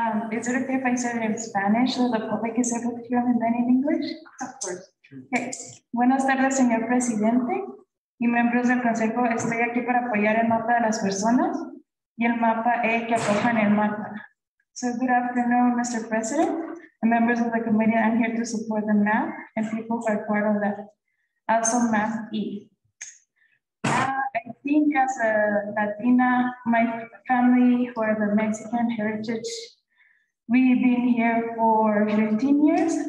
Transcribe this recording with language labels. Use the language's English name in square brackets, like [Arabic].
[English] Is it okay if I say it in Spanish so the public is able to hear and then in English? Of course. Okay. [Spanish] Buenas tardes, señor presidente y miembros del consejo. Estoy aquí para apoyar el mapa de las personas y el mapa E que acojan el mapa. [English] So good afternoon, Mr. President and members of the committee. I'm here to support the map and people who are part of that. Also map E. I think as a Latina, my family, who are the Mexican heritage, we've been here for 15 years.